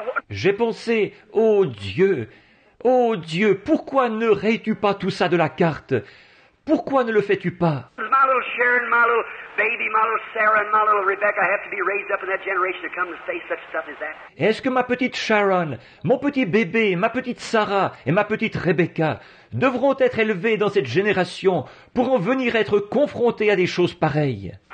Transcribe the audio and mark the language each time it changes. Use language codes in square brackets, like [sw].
[fr] J'ai pensé, oh Dieu, Ô Dieu, pourquoi ne rayes-tu pas tout ça de la carte? Pourquoi ne le fais-tu pas? [en] My little Sharon, my little baby, my little Sarah, my little Rebecca have to be raised up in that generation to come to say such stuff as that. [fr] Est-ce que ma petite Sharon, mon petit bébé, ma petite Sarah et ma petite Rebecca devront être élevés dans cette génération pour en venir être confrontés à des choses pareilles?